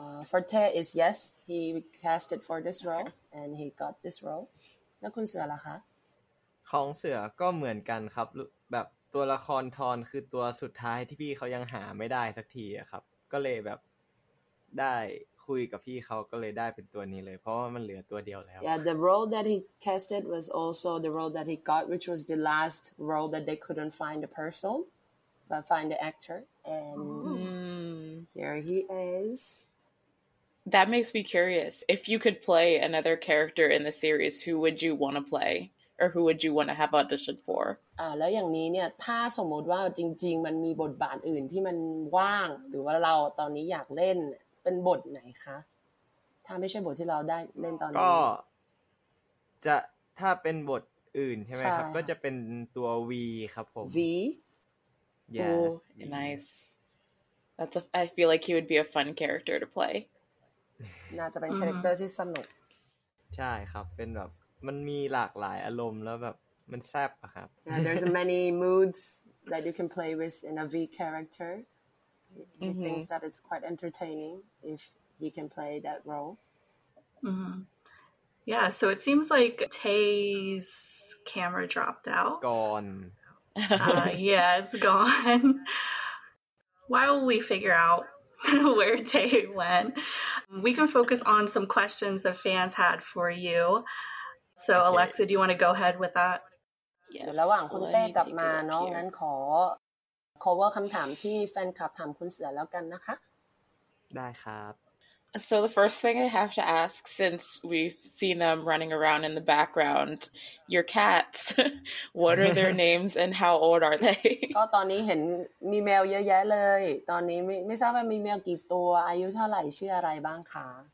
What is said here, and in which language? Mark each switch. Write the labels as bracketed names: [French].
[English] Forte is yes he casted for this role and he got this role [Thai] แล้วคุณเสือล่ะคะ ของเสือก็เหมือนกันครับแบบตัวละครทอนคือตัวสุดท้ายที่พี่เขายังหาไม่ได้สักทีครับก็เลยแบบได้คุยกับพี่เขาก็เลยได้เป็นตัวนี้เลยเพราะว่ามันเหลือตัวเดียวแล้ว [English] Yeah the role that he casted was also the role that he got which was the last role that they couldn't find the personBut find the actor, and here he is. That makes me curious. If you could play another character in the series, who would you want to play, or who would you want to have auditioned for? [Thai] แล้วอย่างนี้เนี่ยถ้าสมมติว่าจริงๆมันมีบทบาทอื่นที่มันว่างหรือว่าเราตอนนี้อยากเล่นเป็นบทไหนคะถ้าไม่ใช่บทที่เราได้เล่นตอนนี้ก็จะถ้าเป็นบทอื่นใช่ไหมครับก็จะเป็นตัว V ครับผม [English] V. Yeah, nice. That's a. I feel like he would be a fun character to play. [Thai] น่าจะเป็นคาแรคเตอร์ที่สนุก ใช่ครับเป็นแบบมันมีหลากหลายอารมณ์แล้วแบบมันแซ่บอะครับ [English] There's many moods that you can play with in a V character. He thinks that it's quite entertaining if he can play that role. Yeah. So it seems like Tay's camera dropped out. Gone. yeah, it's gone. While we figure out where Tay went, we can focus on some questions that fans had for you. So, okay. Alexa, do you want to go ahead with that? Yes. [Thai] ระหว่างคุณเต้กลับมาเนาะงั้นขอ cover คำถามที่แฟนคลับถามคุณเสือแล้วกันนะคะ ได้ครับ [English] So the first thing I have to ask, since we've seen them running around in the background, your cats, what are their names and how old are they? [Thai] ก็ตอนนี้เห็นมีแมวเยอะแยะเลยตอนนี้ไม่ทราบว่ามีแมวกี่ตัวอายุเท่าไหร่ชื่ออะไรบ้างคะ